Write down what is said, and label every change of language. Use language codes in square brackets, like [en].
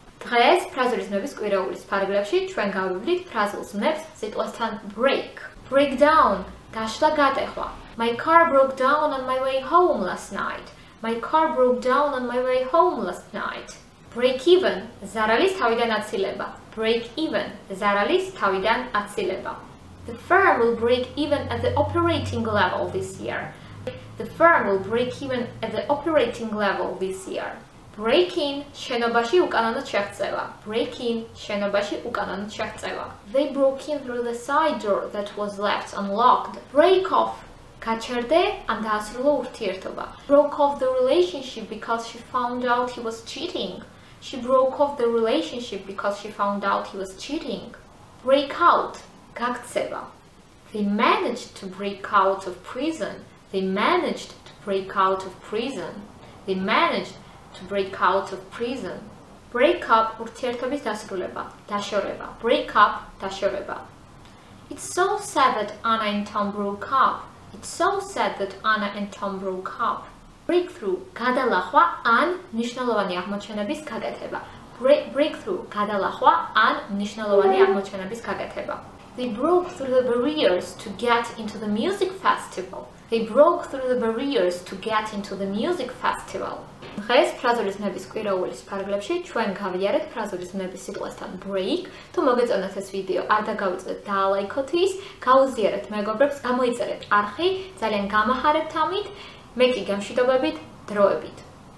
[ka] დღეს ფრაზული ზმნების კვირეულის ფარგლებში ჩვენ გავუვლით ფრაზულ ზმნებს სიტყვასთან break, breakdown, გაშლა, გატეხვა. [en] My car broke down on my way home last night. My car broke down on my way home last night. [ka] Break even, ზარალის თავიდან აცილება. Break even, ზარალის თავიდან აცილება. [en] The firm will break even at the operating level this year. The firm will break even at the operating level this year. [ka] Break in, შენობაში უკანონოდ შეღწევა. Break in, შენობაში უკანონოდ შეღწევა. [en] They broke in through the side door that was left unlocked. [ka] Break off, გაჩერდე ან დაასრულო ურთიერთობა. [en] Broke off the relationship because she found out he was cheating. She broke off the relationship because she found out he was cheating. Break out, გაქცევა. They managed to break out of prison. They managed to break out of prison. They managed to break out of prison. [ka] Break up, ურთიერთობის დასრულება, დაშორება. Break up, დაშორება. [en] It's so sad that Anna and Tom broke up. It's so sad that Anna and Tom broke up. [ka] Breakthrough, გადალახვა ან მნიშვნელოვანი აღმოჩენების გაკეთება. Breakthrough, გადალახვა ან მნიშვნელოვანი აღმოჩენების გაკეთება. [en] They broke through the barriers to get into the music festival. They broke through the barriers to get into the music festival. [ka] დღეს ფრაზული ზმნების კვირეულის ფარგლებში ჩვენ გავიარეთ ფრაზული ზმნების სიტყვასთან break. თუ მოგეწონათ ეს ვიდეო, არ დაგავიწყდეთ დაალაიქოთ ის, გაუზიარეთ მეგობრებს, გამოიწერეთ არხი, ძალიან გამახარებთ ამით. მე კი გამშვიდობებით, დროებით.